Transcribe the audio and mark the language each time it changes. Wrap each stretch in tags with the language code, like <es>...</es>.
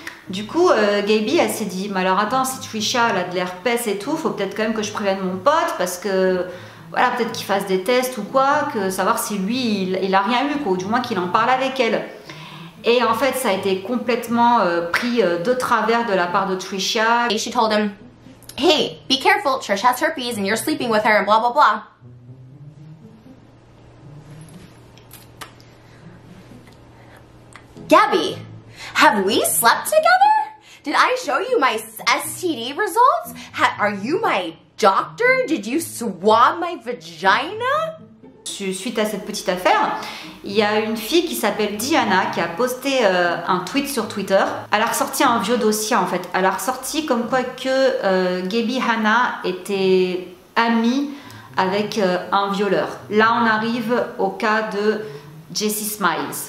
<fr>Du coup, Gaby, elle s'est dit, mais alors attends, si Trisha elle a de l'herpès et tout, faut peut-être quand même que je prévienne mon pote, parce que... Voilà, peut-être qu'il fasse des tests ou quoi, que savoir si lui, il a rien eu, quoi, ou du moins qu'il en parle avec elle. Et en fait, ça a été complètement pris de travers de la part de Trisha.</fr> <en>Et she told him, hey, be careful, Trish has herpes and you're sleeping with her, blah, blah, blah. Gabby, have we slept together? Did I show you my STD results? Are you my... Doctor, did you swab my vagina?</en> <fr>Suite à cette petite affaire, il y a une fille qui s'appelle Diana qui a posté un tweet sur Twitter. Elle a ressorti un vieux dossier en fait. Elle a ressorti comme quoi que Gaby Hanna était amie avec un violeur. Là, on arrive au cas de Jessie Smiles.</fr>